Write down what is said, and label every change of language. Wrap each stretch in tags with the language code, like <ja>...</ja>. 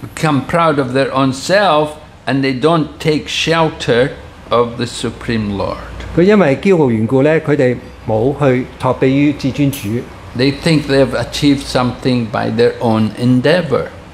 <en>become proud of their own self, and they don't take shelter of the Supreme Lord.</en> <yue>佢因為驕傲緣故咧，佢哋冇去托庇於至尊主。</yue> <en>They think they have achieved something by their own endeavor.</en>